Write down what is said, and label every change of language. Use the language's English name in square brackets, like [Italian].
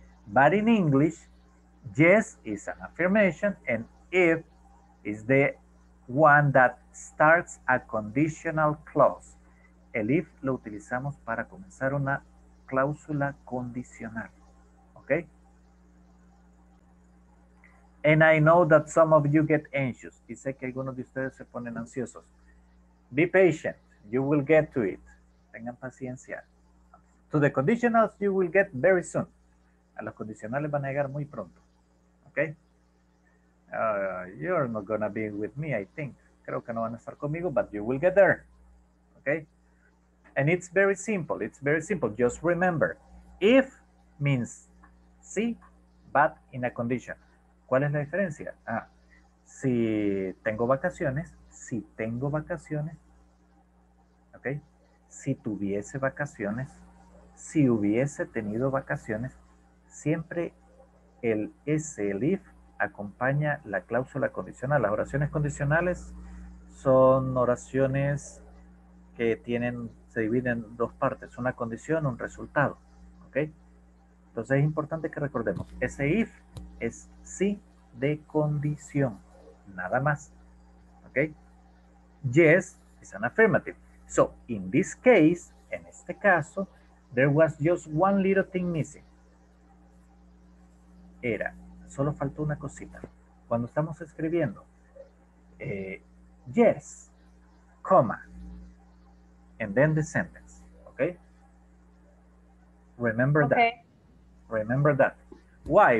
[English] But in English, yes is an affirmation and if is the one that starts a conditional clause. [Spanish] El if lo utilizamos para comenzar una cláusula condicional, okay? [English] And I know that some of you get anxious. [Spanish] Y sé que algunos de ustedes se ponen ansiosos. [English] Be patient. You will get to it. [Spanish] Tengan paciencia. [English] To the conditionals you will get very soon. [Spanish] A los condicionales van a llegar muy pronto, okay? [English] You're not gonna be with me, I think. [Spanish] Creo que no van a estar conmigo, [English] but you will get there, okay? And it's very simple. It's very simple. Just remember, if means [Spanish] sí, [English] but in a condition. [Spanish] ¿Cuál es la diferencia? Ah, si tengo vacaciones, si tengo vacaciones, okay? si tuviese vacaciones, si hubiese tenido vacaciones, siempre el SLIF acompaña la cláusula condicional. Las oraciones condicionales son oraciones que tienen, se dividen en dos partes, una condición, un resultado. ¿Okay? Entonces es importante que recordemos, ese if es sí de condición, nada más. [English] ¿Okay? Yes is an affirmative. So, in this case, [Spanish] en este caso, [English] there was just one little thing missing. [Spanish] Era, solo faltó una cosita. Cuando estamos escribiendo, [English] yes, comma, and then the sentence, okay? Remember okay. that. Remember that. Why?